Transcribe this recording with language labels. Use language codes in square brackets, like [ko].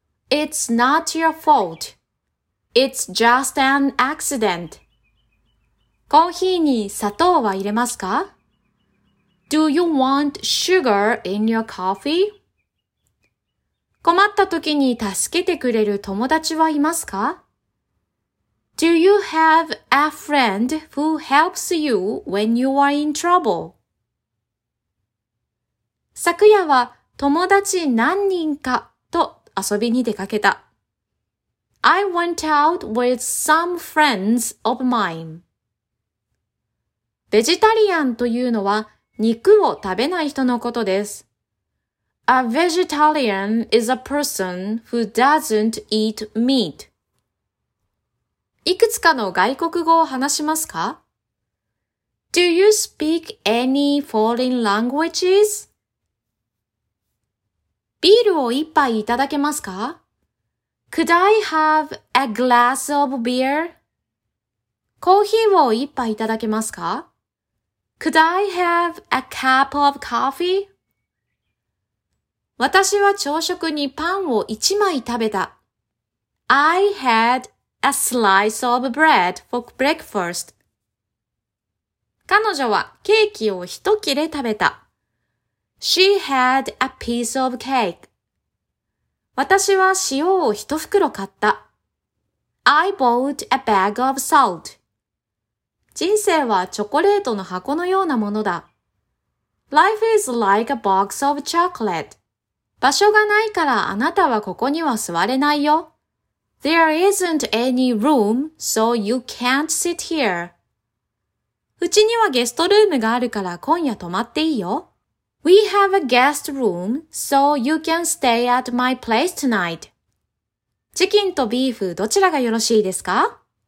[en] It's not your fault. It's just an accident. [ja] コーヒーに砂糖は入れますか？ [en] Do you want sugar in your coffee? [ja] 困った時に助けてくれる友達はいますか？ [en] Do you have a friend who helps you when you are in trouble? [ja] 昨夜は友達何人か遊びに出かけた。 [en] I went out with some friends of mine. [ja] ベジタリアンというのは肉を食べない人のことです。 [en] A vegetarian is a person who doesn't eat meat. [ja] いくつかの外国語を話しますか？ [en] Do you speak any foreign languages? [ja] ビールを一杯いただけますか？ [en] Could I have a glass of beer? [ja] コーヒーを一杯いただけますか？ [en] Could I have a cup of coffee? [ja] 私は朝食にパンを一枚食べた。 [en] I had a slice of bread for breakfast. [ja] 彼女はケーキを一切れ食べた。 [en] She had a piece of cake. [ja] 私は塩を一袋買った。 [en] I bought a bag of salt. [ja] 人生はチョコレートの箱のようなものだ。 [en] Life is like a box of chocolate. [ja] 場所がないからあなたはここには座れないよ。 [en] There isn't any room, so you can't sit here. [ja] うちにはゲストルームがあるから今夜泊まっていいよ。 [en] We have a guest room, so you can stay at my place tonight. [ja] チキンとビーフどちらがよろしいですか？